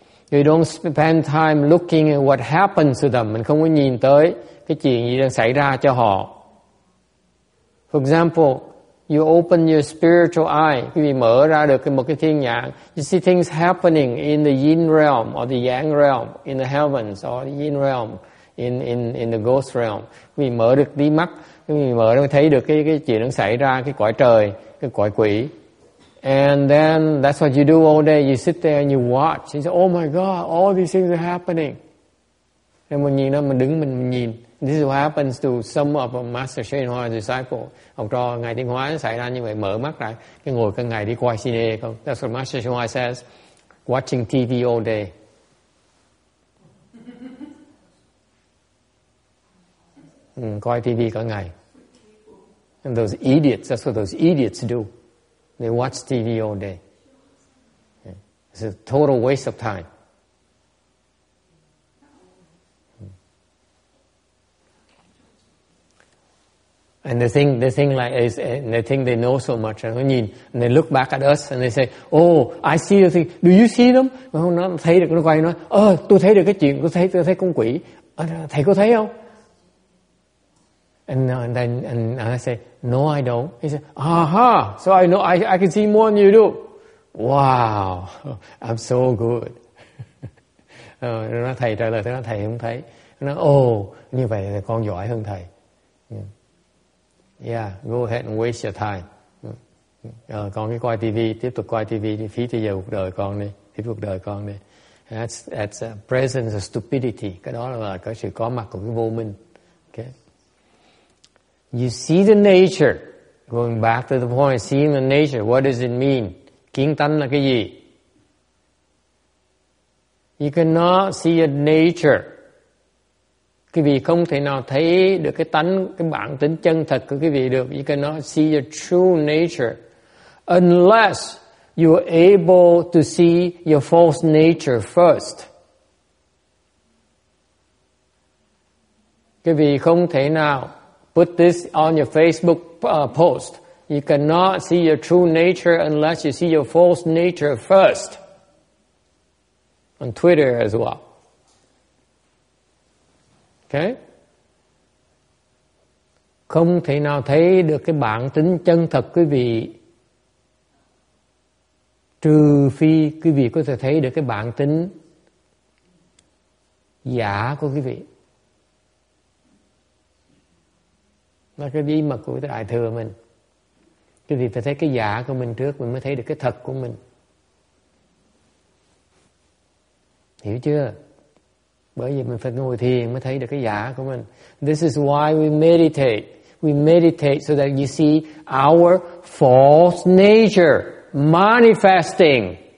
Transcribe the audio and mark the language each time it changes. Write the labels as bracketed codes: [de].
[en] We don't spend time looking at what happens to them. [vi] Mình không có nhìn tới cái chuyện gì đang xảy ra cho họ. [en] For example, you open your spiritual eye. [vi] Quý vị mở ra được một cái thiên nhãn. [en] You see things happening in the yin realm or the yang realm, in the heavens or the yin realm. In the ghost realm, [vi] vì mở được tí mắt, vì mở nó thấy được cái chuyện đang xảy ra, cái cõi trời, cái cõi quỷ. [en] And then that's what you do all day. You sit there and you watch. You say, "Oh my God, all these things are happening." [vi] And mình nhìn nó, mình đứng mình nhìn. [en] This is what happens to some of a master Shen Hoa disciple. [vi] Học trò ngài Tiến Hóa xảy ra như vậy, mở mắt ra, cái ngồi cả ngày đi quay cine. [en] That's what Master Shen Hoa says, watching TV all day. [vi] Coi TV cả ngày. [en] And those idiots, that's what those idiots do. They watch TV all day. It's a total waste of time. And they think like is, and they think they know so much. And they look back at us and they say, "Oh, I see the thing. Do you see them?" [vi] Nó thấy được, nó quay nói, "Ờ, tôi thấy được cái chuyện, tôi thấy con quỷ. Thầy có thấy không?" [en] And then I say, "No, I don't." He said, "Aha, so I know I can see more than you do." Wow, I'm so good. [vi] Thầy trả lời, thầy không thấy. Nó, "Oh, như vậy là con giỏi hơn thầy." [en] Yeah, go ahead and waste your time. [vi] Con cứ coi TV, tiếp tục coi TV đi, phí thời giờ cuộc đời con đi, phí cuộc đời con đi. [en] That's a presence of stupidity. [vi] Cái đó là cái sự có mặt của cái vô minh. [en] Okay. You see the nature. Going back to the point, seeing the nature. What does it mean? [vi] Kiến tánh là cái gì? [en] You cannot see a nature. [vi] Quý vị không thể nào thấy được cái tánh, cái bản tính chân thật của quý vị được. [en] You cannot see your true nature. Unless you are able to see your false nature first. [vi] Quý vị không thể nào [en] put this on your Facebook post. You cannot see your true nature unless you see your false nature first. On Twitter as well. Okay? [vi] Không thể nào thấy được cái bản tính chân thật quý vị trừ phi quý vị có thể thấy được cái bản tính giả của quý vị. Là cái bí mật của đại thừa mình. Cái gì phải thấy cái giả của mình trước, mình mới thấy được cái thật của mình. Hiểu chưa? Bởi vì mình phải ngồi thiền mới thấy được cái giả của mình. [en] This is why we meditate. We meditate so that you see our false nature manifesting.